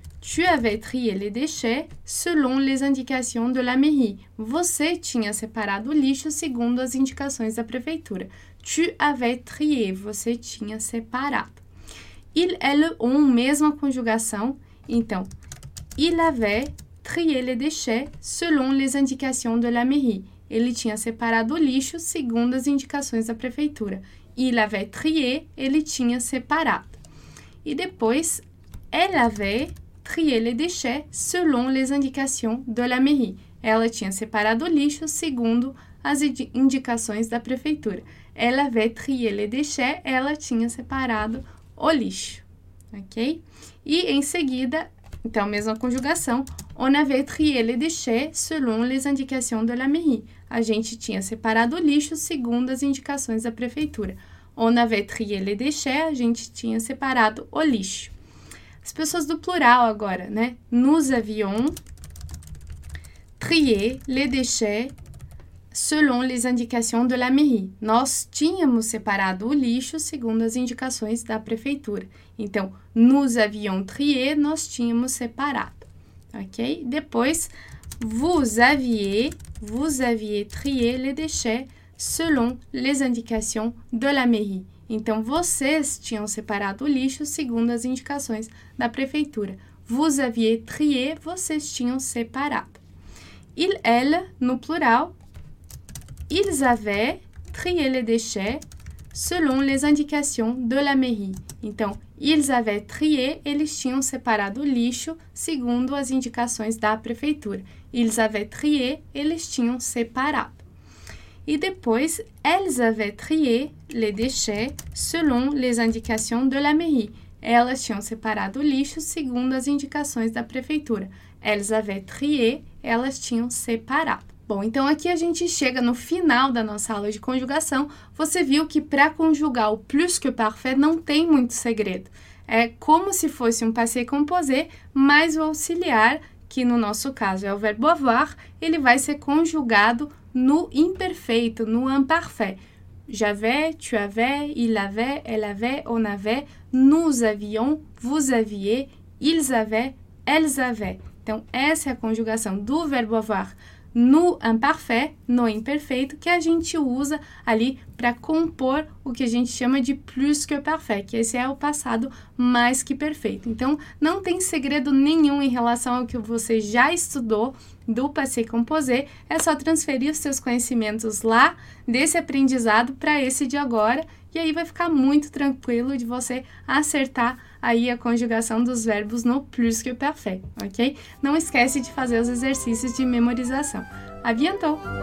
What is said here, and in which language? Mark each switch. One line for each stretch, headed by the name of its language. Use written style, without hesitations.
French: Tu avais trié les déchets selon les indications de la mairie.
Portuguese: Você tinha separado o lixo segundo as indicações da prefeitura.
French: Tu avais trié,
Portuguese: você tinha separado.
French: Il, elle, ont,
Portuguese: mesma conjugação.
French: Então, il avait trié les déchets selon les indications de la mairie.
Portuguese: Ele tinha separado o lixo segundo as indicações da prefeitura.
French: Il avait trié,
Portuguese: ele tinha separado. E depois,
French: elle avait trié les déchets selon les indications de la mairie.
Portuguese: Ela tinha separado o lixo segundo as indicações da prefeitura.
French: Elle avait trié les déchets,
Portuguese: ela tinha separado o lixo. Ok? E em seguida, então, mesma conjugação.
French: On avait trié les déchets selon les indications de la mairie.
Portuguese: A gente tinha separado o lixo segundo as indicações da prefeitura.
French: On avait trié les déchets,
Portuguese: a gente tinha separado o lixo. As pessoas do plural agora, né?
French: Nous avions trié les déchets selon les indications de la mairie.
Portuguese: Nós tínhamos separado o lixo segundo as indicações da prefeitura. Então,
French: nous avions trié,
Portuguese: nós tínhamos separado. Ok?
French: Depois, vous aviez trié les déchets selon les indications de la mairie.
Portuguese: Então, vocês tinham separado o lixo segundo as indicações da prefeitura.
French: Vous aviez trié,
Portuguese: vocês tinham separado.
French: Il, elle,
Portuguese: no plural,
French: ils avaient trié les déchets selon les indications de la mairie.
Portuguese: Então,
French: ils avaient trié,
Portuguese: eles tinham separado o lixo segundo as indicações da prefeitura.
French: Ils avaient trié,
Portuguese: eles tinham separado. E depois,
French: elles avaient trié les déchets selon les indications de la mairie.
Portuguese: Elas tinham separado o lixo segundo as indicações da prefeitura.
French: Elles avaient trié,
Portuguese: elas tinham separado. Bom, então aqui a gente chega no final da nossa aula de conjugação. Você viu que para conjugar o plus que o parfait não tem muito segredo. É como se fosse um passé composé, mas o auxiliar, que no nosso caso é o verbo avoir, ele vai ser conjugado no imperfeito, no imparfait.
French: J'avais, tu avais, il avait, elle avait, on avait, nous avions, vous aviez, ils avaient, elles avaient.
Portuguese: Então, essa é a conjugação do verbo avoir no imparfait, no imperfeito, que a gente usa ali para compor o que a gente chama de plus que parfait, que esse é o passado mais que perfeito. Então, não tem segredo nenhum em relação ao que você já estudou do passé composé, é só transferir os seus conhecimentos lá, desse aprendizado, para esse de agora, e aí vai ficar muito tranquilo de você acertar aí a conjugação dos verbos no plus que parfait, ok? Não esquece de fazer os exercícios de memorização.
French: À bientôt!